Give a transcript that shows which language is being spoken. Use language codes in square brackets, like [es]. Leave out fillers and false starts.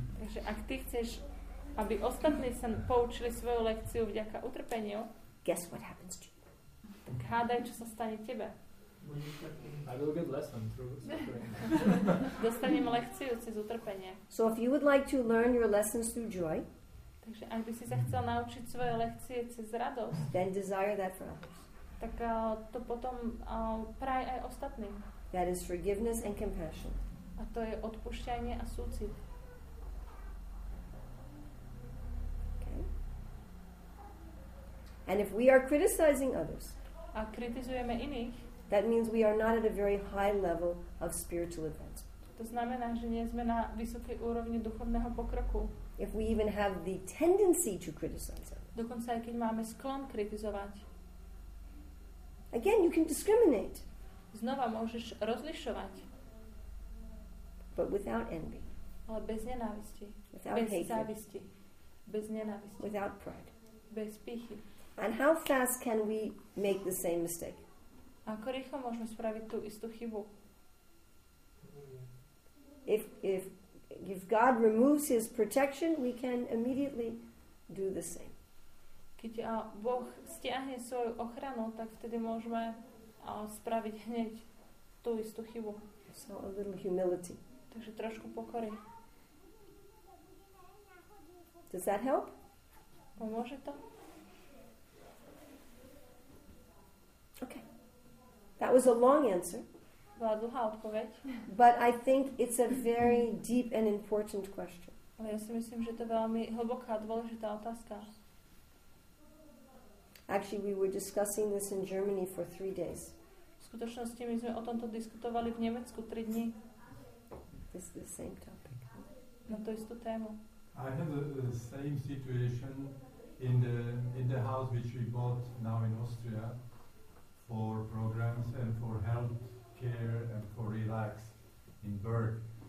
[sk] takže ak ty chceš, aby ostatní sa poučili svoju lekciu vďaka utrpeniu, [en] guess what happens to you. [sk] Tak hádaj, čo sa stane tebe. [en] I will get lesson through suffering. [sk] Dostanem lekciu cez utrpenie. [en] So if you would like to learn your lessons through joy, [sk] takže ak by si sa chcel naučiť svoje lekcie cez radosť, [en] then desire that for others. [sk] Tak to potom praj aj ostatným. [en] That is forgiveness and compassion. [sk] A to je odpúšťanie a súcit. [en] Okay. And if we are criticizing others, [sk] a kritizujeme iných, [en] that means we are not at a very high level of spiritual advancement. [sk] To znamená, že nie sme na vysokej úrovni duchovného pokroku. [en] If we even have the tendency to criticize others. [sk] Dokonca aj keď máme sklon kritizovať. [en] Again, you can discriminate. [sk] Znova môžeš rozlišovať. [en] But without envy. [sk] Ale bez nenávisti. [en] Without [sk] bez [en] hatred. [sk] Závisti. Bez nenávisti. [en] Without pride. [sk] Bez pýchy. [en] And how fast can we make the same mistake? [sk] Ako rýchlo môžeme spraviť tú istú chybu? [en] If God removes his protection, we can immediately do the same. [sk] Keď Boh stiahne svoju ochranu, tak vtedy môžeme spraviť hneď tú istú chybu. [en] So a little humility. [sk] Takže trošku pokory. [en] Does that help? [sk] Pomôže to? [en] Okay. That was a long answer. [sk] Bola dlhá odpoveď. [en] But I think it's a very deep and important question. [sk] Ale ja si myslím, že to je veľmi hlboká a dôležitá otázka. [en] Actually, we were discussing this in Germany for 3 days. [sk] V skutočnosti my sme o tomto diskutovali v Nemecku 3 dni. [en] This is the same topic. [sk] Na tú istú tému. [en] I have the same situation in the house which we bought now in Austria for programs and for health care and for relax in Berg.